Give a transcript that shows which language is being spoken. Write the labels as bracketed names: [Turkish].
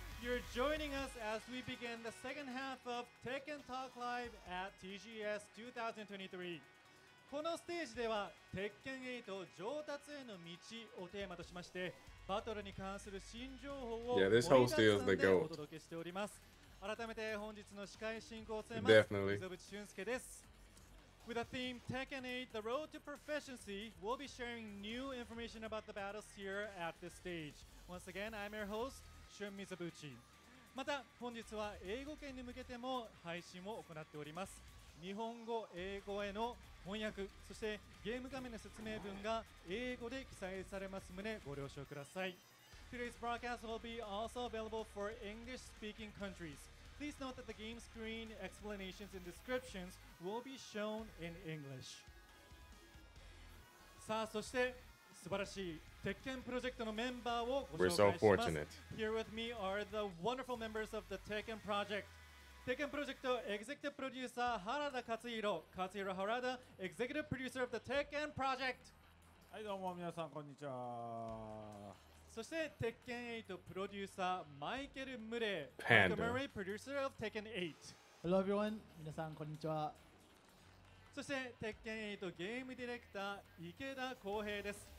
[English] You're joining us as we begin the second half of Tekken Talk Live at TGS 2023. [Japanese] このステージでは鉄拳8上達への道をテーマとしまして、バトルに関する新情報を盛りだくさんでお届けしております。改めて本日の司会進行を務めます [English] Definitely. [Japanese] 溝渕俊介です。 [English] With the theme Tekken 8 The Road to Proficiency, we'll be sharing new information about the battles here at this stage. Once again, I'm your host, Shun Mizubuchi. [Japanese] また本日は英語圏に向けても配信を行っております。日本語英語への翻訳、そしてゲーム画面の説明文が英語で記載されます旨ご了承ください。 [English] Today's broadcast will be also available for English speaking countries. Please note that the game screen explanations and descriptionsWill be shown in English. [Japanese] さあ、そして素晴らしい鉄拳プロジェクトのメンバーをご紹介します。 [English] We're so fortunate. Here with me are the wonderful members of the Tekken Project. Tekken Project Executive Producer Harada Katsuhiro. Katsuhiro Harada, Executive Producer of the Tekken Project. [Japanese] はい、どうも皆さんこんにちは。そして鉄拳8 Producer Michael Murray. [English] Panda. Michael Murray, Producer of Tekken 8. Hello everyone, [Japanese] 皆さんこんにちは。そして鉄拳8ゲームディレクター池田光平です。